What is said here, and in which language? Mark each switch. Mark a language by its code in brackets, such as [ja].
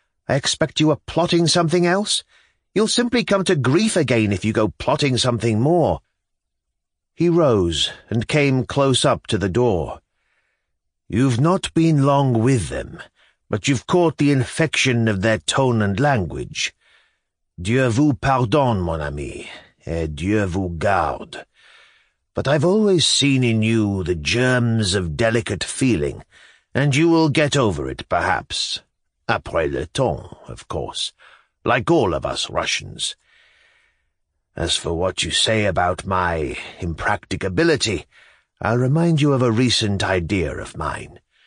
[en] I expect you are plotting something else. You'll simply come to grief again if you go plotting something more." He rose and came close up to the door. "You've not been long with them, but you've caught the infection of their tone and language. [fr] Dieu vous pardonne, mon ami, et Dieu vous garde. [en] But I've always seen in you the germs of delicate feeling, and you will get over it, perhaps. [fr] Après le temps, [en] of course, like all of us Russians. As for what you say about my impracticability, I'll remind you of a recent idea of mine.